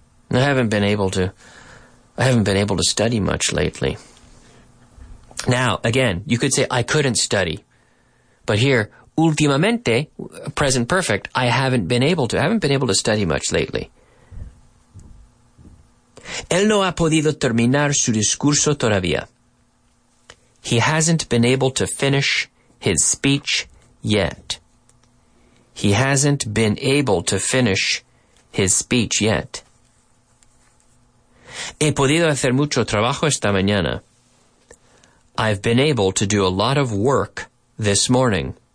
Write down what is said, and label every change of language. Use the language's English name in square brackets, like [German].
[English] I haven't been able to study much lately. Now, again, you could say, I couldn't study. But here, últimamente, present perfect, I haven't been able to. I haven't been able to study much lately. [Spanish] Él no ha podido terminar su discurso todavía. [English] He hasn't been able to finish his speech yet. He hasn't been able to finish his speech yet. [Spanish] He podido hacer mucho trabajo esta mañana. [English] I've been able to do a lot of work this morning.